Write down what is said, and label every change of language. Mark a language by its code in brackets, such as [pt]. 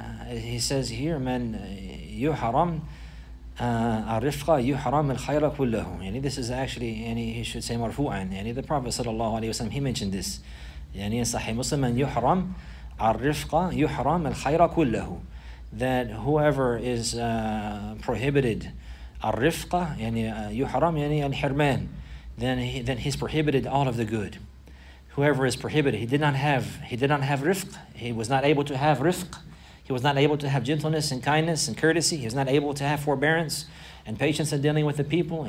[en] He says here, man, [ar] يحرم الرفقة يحرم الخير كله. [en] Yani this is actually, yani he should say مرفوعا. Yani the Prophet sallallahu alaihi wasallam, he mentioned this. Yani in Sahih Muslim, [ar] من يحرم الرفقة يحرم الخير كله. [en] That whoever is prohibited الرفقة, yani [ar] يحرم يعني الحرمان, [en] then he's prohibited all of the good. Whoever is prohibited, he did not have رفق. He was not able to have رفق. He was not able to have gentleness and kindness and courtesy. He was not able to have forbearance and patience in dealing with the people.